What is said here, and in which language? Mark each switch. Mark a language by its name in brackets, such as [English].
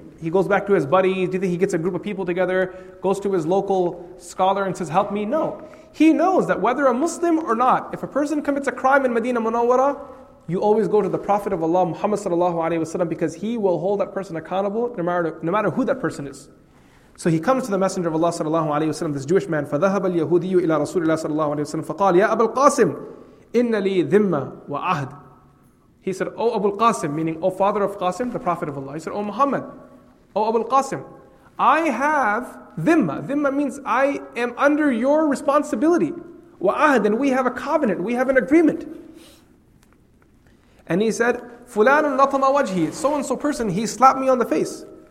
[English] He goes back to his buddies? Do you think he gets a group of people together, goes to his local scholar and says, help me? No. He knows that whether a Muslim or not, if a person commits a crime in Medina Munawwara, you always go to the Prophet of Allah, Muhammad sallallahu alayhi wa sallam, because he will hold that person accountable no matter who that person is. So he comes to the Messenger of Allah sallallahu alayhi wa sallam, this Jewish man, [Arabic] فَذَهَبَ الْيَهُودِيُّ إِلَىٰ رَسُولِ اللَّهِ صَلَّى اللَّهُ عَلَيْهِ وَسَلَّمَ فَقَالَ يَا أَبَا الْقَاسِمِ إِنَّ لِي ذِمَّ وَعَهْدِ. [English] He said, O Abu al-Qasim, meaning, O father of Qasim, the Prophet of Allah. He said, O Muhammad, O Abu al-Qasim, I have dhimma. Dhimma means I am under your responsibility. Wa'ahad, and we have a covenant, we have an agreement. And he said, [Arabic] Fulanun latama wajhi, [English] so-and-so person, he slapped me on the face.